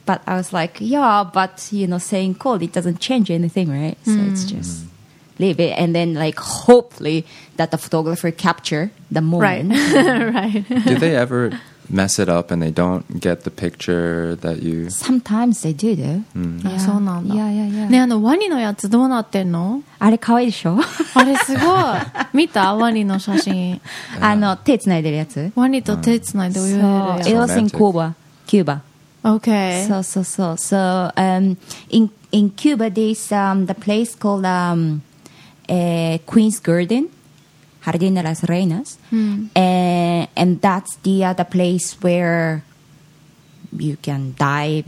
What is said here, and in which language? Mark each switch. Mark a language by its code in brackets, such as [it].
[en] But I was like, yeah, but, you know, saying cold, it doesn't change anything, right? So it's just leave it, and then, like, hopefully that the photographer capture the moment. Right. Right. Do they ever mess it up and they don't get the picture that you... Sometimes they do, though. [ja] Yeah. そうなんだ。 [en] Yeah, yeah, yeah. [ja] ね、あの、ワニのやつどうなってんの？あれかわいいでしょ？あれすごい。見た？ワニの写真。あの、手つないでるやつ。ワニと手つないで泳いでるやつ。 [en] It was in Cuba. Cuba. Okay. So, so, so. So, in Cuba, there's the place called Queen's Garden. Jardín de las Reinas, and that's the place where you can dive.